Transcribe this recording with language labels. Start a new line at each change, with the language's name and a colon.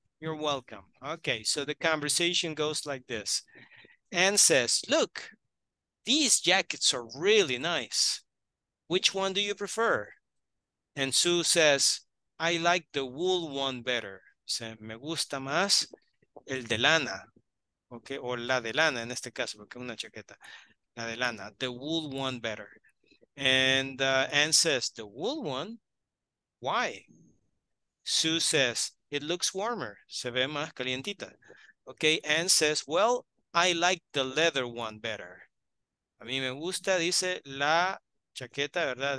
English: You're welcome. Okay, so the conversation goes like this. Anne says, look, these jackets are really nice. Which one do you prefer? And Sue says, I like the wool one better.
Spanish: Se me gusta más el de lana. Okay, o la de lana en este caso, porque una chaqueta. La de lana,
English: the wool one better. And Anne says, the wool one? Why? Sue says, it looks warmer.
Spanish: Se ve más calientita.
English: Okay, Anne says, well, I like the leather one better.
Spanish: A mí me gusta, dice, la chaqueta, ¿verdad?